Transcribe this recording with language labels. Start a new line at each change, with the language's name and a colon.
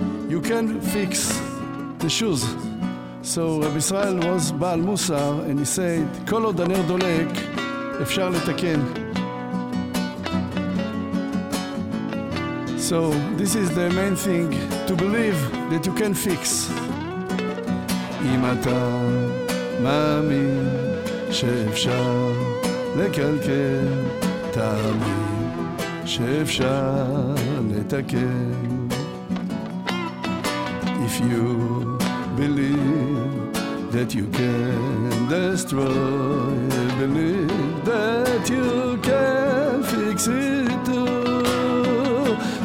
English: You can fix the shoes. So Rabbi Israel was Baal Musar, and he said,
Hebrew: כל עוד הנר דולק, אפשר לתקן.
English: So this is the main thing, to believe that you can fix.
Hebrew: אם אתה מאמין שאפשר לקלקל, תאמין שאפשר לתקן.
English: If you believe that you can destroy, believe that you can fix it too.